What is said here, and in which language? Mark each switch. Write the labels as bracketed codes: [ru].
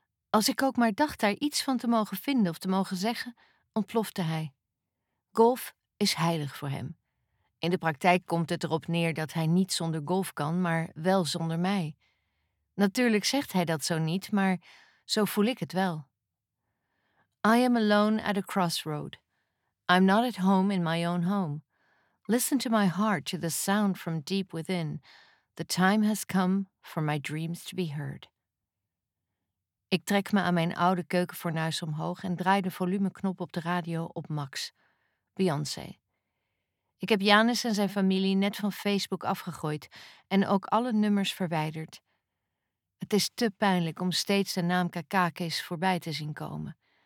[nl] Als ik ook maar dacht daar iets van te mogen vinden of te mogen zeggen, ontplofte hij. Golf is heilig voor hem. In de praktijk komt het erop neer dat hij niet zonder golf kan, maar wel zonder mij. Natuurlijk zegt hij dat zo niet, maar zo voel ik het wel. [en] I am alone at a crossroad. I'm not at home in my own home. Listen to my heart, to the sound from deep within. The time has come for my dreams to be heard. [nl] Ik trek me aan mijn oude keukenfornuis omhoog en draai de volumeknop op de radio op max. Beyoncé. Ik heb Janis en zijn familie net van Facebook afgegooid en ook alle nummers verwijderd. Het is te pijnlijk om steeds de naam Kakakis voorbij te zien komen.